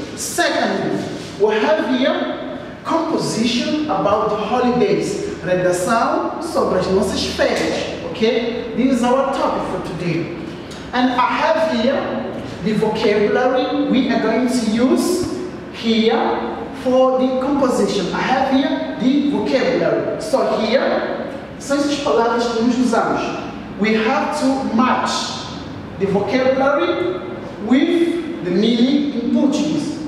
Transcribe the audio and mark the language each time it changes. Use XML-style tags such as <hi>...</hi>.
<en>Second, we have here composition about holidays.</en> <pt>Redação sobre as nossas férias, okay?</pt> <en>This is our topic for today. And I have here the vocabulary we are going to use here for the composition. I have here the vocabulary. So here,</en> <pt>são essas palavras que nós usamos.</pt> <en>We have to match the vocabulary with the meaning in Portuguese.</en>